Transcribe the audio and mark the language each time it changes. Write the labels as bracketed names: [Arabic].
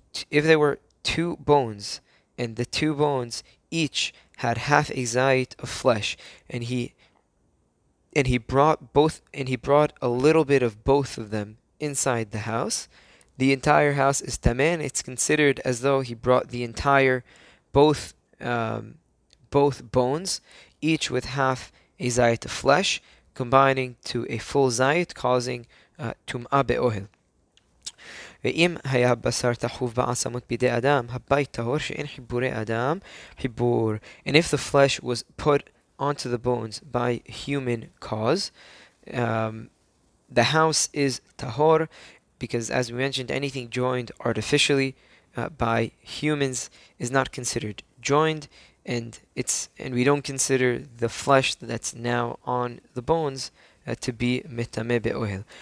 [English] If there were two bones, and the two bones each had half a zayit of flesh, and he brought a little bit of both of them inside the house, the entire house is tameh. It's considered as though he brought the entire both bones, each with half a zayit of flesh, combining to a full zayit, causing tum'ah be'ohel. [Hebrew] ואם היה בשר תחוב בעצמות בידי אדם, הבית טהור שאין חיבורי אדם, חיבור. [English] And if the flesh was put onto the bones by human cause, the house is tahor, because as we mentioned, anything joined artificially by humans is not considered joined, and we don't consider the flesh that's now on the bones to be metame be'ohel.